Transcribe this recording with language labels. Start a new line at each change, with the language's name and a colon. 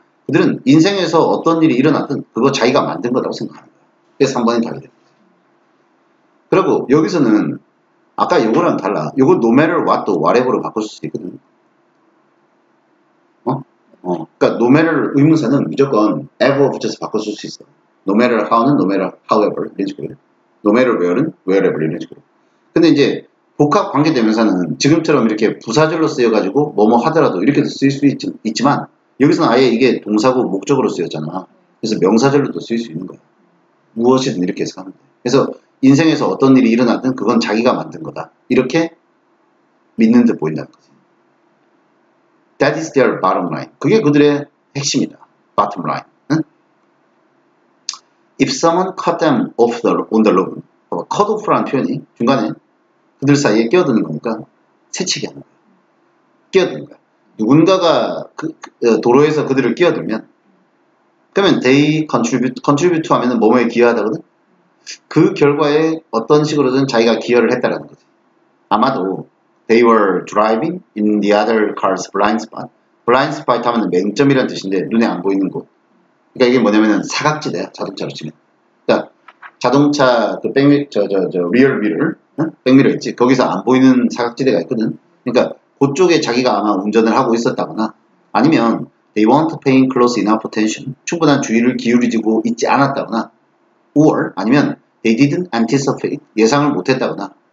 Korean: 그들은 인생에서 어떤 일이 일어났든 그거 자기가 만든 거라고 생각하는 거야. 그래서 3번이 다르게 됩니다. 그리고 여기서는 아까 요거랑 달라. 요거
English: no matter what
Korean: 도 whatever로 바꿀 수 있거든. 그러니까
English: no matter
Korean: 의문사는 무조건 ever of just 바꿀 수 있어.
English: no matter how는 no matter however.
Korean: 이런 식으로.
English: No matter where는 wherever
Korean: 이런 식으로. 근데 이제 복합 관계대명사는 지금처럼 이렇게 부사절로 쓰여가지고 뭐뭐 하더라도 이렇게도 쓰일 수 있지만 여기서는 아예 이게 동사고 목적으로 쓰였잖아. 그래서 명사절로도 쓰일 수 있는 거야. 무엇이든 이렇게 해석하면 돼. 그래서 인생에서 어떤 일이 일어났든 그건 자기가 만든 거다. 이렇게 믿는 듯 보인다는 거지.
English: That is their bottom line.
Korean: 그게 그들의 핵심이다. Bottom line.
English: If someone cut them off the, on the road,
Korean: cut off라는 표현이 중간에 그들 사이에 끼어드는 거니까 새치기 하는 거야. 끼어드는 거야. 누군가가 도로에서 그들을 끼어들면, 그러면
English: they contribute
Korean: 하면은 뭐뭐에 기여하다거든? 그 결과에 어떤 식으로든 자기가 기여를 했다라는 거지. 아마도
English: they were driving in the other car's blind spot.
Korean: blind spot 하면은 맹점이라는 뜻인데 눈에 안 보이는 곳. 그러니까 이게 뭐냐면은 사각지대야, 자동차로 치면. 자동차 그 백미 저저저 리얼 미러 백미러 있지 거기서 안 보이는 사각지대가 있거든. 그러니까 그쪽에 자기가 아마 운전을 하고 있었다거나 아니면
English: they weren't paying close enough attention
Korean: 충분한 주의를 기울이지고 있지 않았다거나 or 아니면
English: they didn't anticipate
Korean: 예상을 못했다거나